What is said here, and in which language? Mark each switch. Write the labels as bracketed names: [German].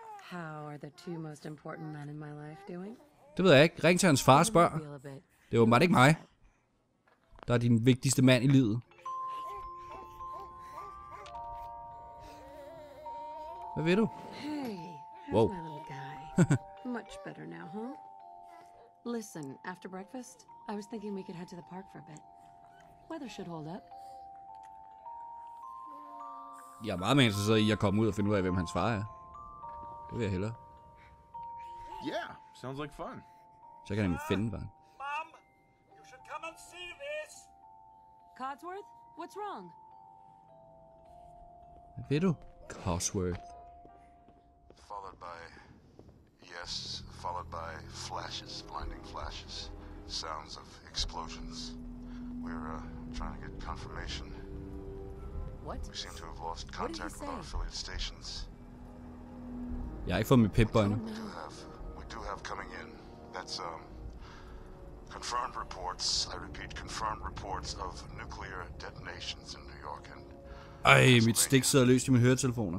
[English] How are the two most important men in my life doing? [Danish] Det ved jeg ikke. Ring til hans far og spørg. Det er åbenbart ikke mig. Der er din vigtigste mand i livet. Hvad ved du? [English] Wow. Much better now, huh? Listen, after breakfast, I was thinking we could head to the park for a bit. Weather should hold up. [Danish] Jeg er meget mere interesseret i at komme ud og finde ud af, hvem hans far er. Det vil jeg hellere. [English] Yeah, sounds like fun. [Danish] Så kan jeg nemlig finde faren. [English] Mom, you should come and see this. Cosworth, what's wrong? [Danish] Hvad ved du, Cosworth? [English] Followed by... Yes, followed by flashes, blinding flashes. Sounds of explosions. We're trying to get confirmation. What? We seem to have lost contact with our affiliate stations. [Danish] Jeg har ikke fået mit pip-bånd. [English] We do have coming in. That's confirmed reports. I repeat, confirmed reports of nuclear detonations in New York and... [Danish] Ej, mit stik sidder løst i mine høretelefoner.